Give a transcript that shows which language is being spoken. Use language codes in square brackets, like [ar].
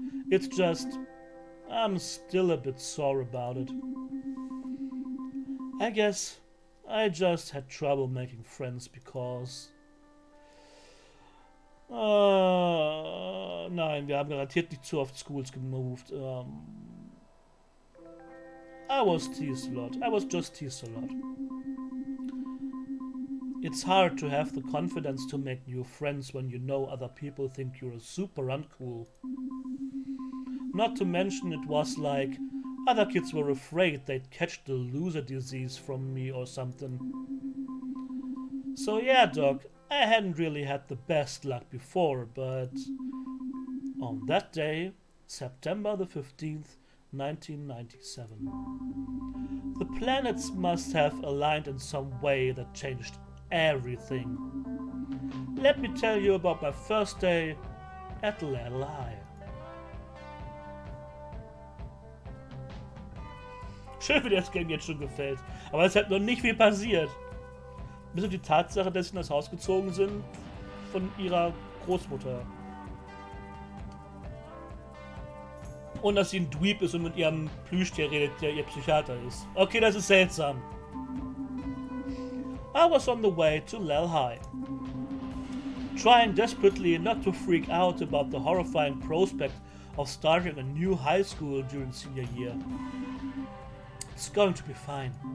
[en] It's just, I'm still a bit sore about it. I guess I just had trouble making friends because... [de] Nein, wir haben garantiert nicht zu oft Schools gemoved. [en] I was teased a lot. I was just teased a lot. It's hard to have the confidence to make new friends when you know other people think you're super uncool. Not to mention it was like other kids were afraid they'd catch the loser disease from me or something. So yeah, Doc, I hadn't really had the best luck before, but on that day, September the 15th, 1997. The planets must have aligned in some way that changed everything. Let me tell you about my first day at Ladle High. [de] Schön, wie dir das Game jetzt schon gefällt. Aber es hat noch nicht viel passiert. Bis auf die Tatsache, dass sie in das Haus gezogen sind von ihrer Großmutter. Und dass sie ein Dweeb ist und mit ihrem Plüschtier redet, der ihr Psychiater ist. Okay, das ist seltsam. [en] I was on the way to Ladle High. Trying desperately not to freak out about the horrifying prospect of starting a new high school during senior year. It's going to be fine.